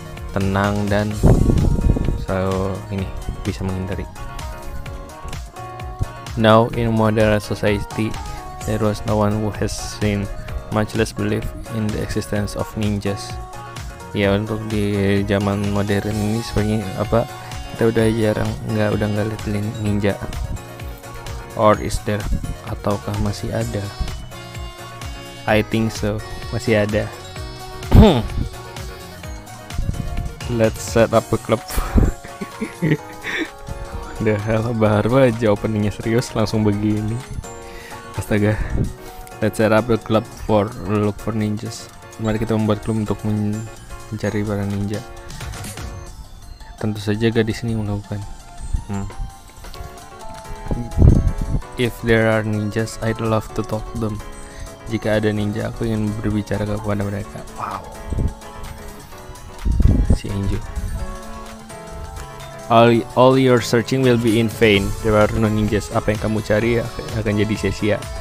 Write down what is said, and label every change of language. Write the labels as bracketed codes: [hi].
[id] Tenang dan selalu ini bisa menghindari. [en] Now in modern society, there was no one who has seen, much less believe in the existence of ninjas. [id] Ya untuk di zaman modern ini sebenarnya apa, kita udah jarang, nggak lihat ninja. [en] Or is there? [id] Ataukah masih ada? [en] I think so, [id] masih ada. [en] Let's set up a club. The hell, [id] baru aja openingnya serius langsung begini. Astaga. [en] Let's set up a club for look for ninjas. [id] Mari kita membuat klub untuk mencari para ninja. Tentu saja gadis ini melakukan. [en] If there are ninjas, I'd love to talk to them. [id] Jika ada ninja, aku ingin berbicara kepada mereka. Wow. Si Angel. [en] All your searching will be in vain. There are no ninjas. [id] Apa yang kamu cari akan jadi sia-sia.